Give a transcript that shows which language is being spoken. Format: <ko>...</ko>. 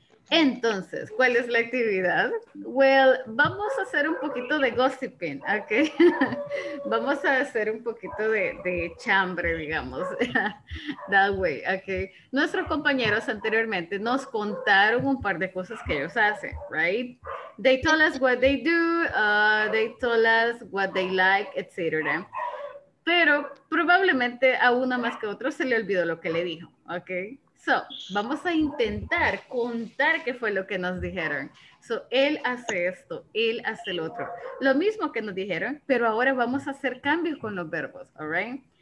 <es>Entonces, ¿cuál es la actividad? Well, vamos a hacer un poquito de gossiping, ok. Vamos a hacer un poquito de chambre, digamos,</es> <en>that way,</en> <es>ok. Nuestros compañeros anteriormente nos contaron un par de cosas que ellos hacen, right?</es> <en>They told us what they do, they told us what they like, etc.</en> <es>Pero probablemente a uno más que a otro se le olvidó lo que le dijo, ok. So, vamos a intentar contar qué fue lo que nos dijeron. So, él hace esto, él hace el otro. Lo mismo que nos dijeron, pero ahora vamos a hacer cambios con los verbos, all right?</es>